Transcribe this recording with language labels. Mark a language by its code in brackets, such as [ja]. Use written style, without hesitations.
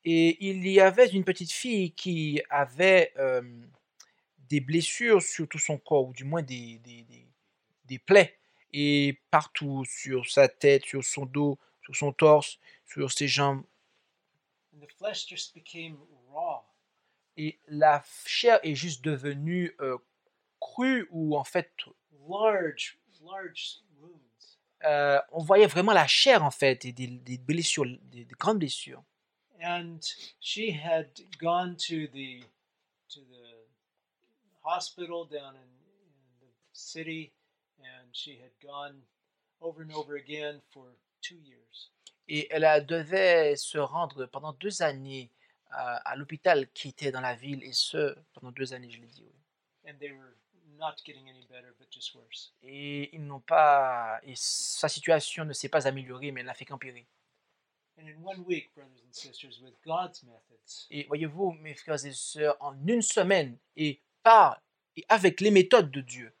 [fr] Et il y avait une petite fille qui avait des blessures sur tout son corps, ou du moins des plaies, et partout, sur sa tête, sur son dos, sur son torse, sur ses jambes. [en] And the flesh just became raw. [fr] Et la chair est juste devenue crue, ou en fait... [en] Large wounds. [fr] On voyait vraiment la chair, en fait, et des blessures, des grandes blessures. [en] And she had gone to the hospital down in the city, and she had gone over and over again for 2 years. [fr] Et elle devait se rendre pendant 2 années à l'hôpital qui était dans la ville, et ce pendant 2 années, je l'ai dit. Oui. [en] And they were not getting any better, but just worse. [fr] Et ils n'ont pas, et sa situation ne s'est pas améliorée, mais elle n'a fait qu'empirer. [en] And in 1 week, brothers and sisters, with God's methods. [fr] Et voyez-vous, mes frères et sœurs, en une semaine et par et avec les méthodes de Dieu,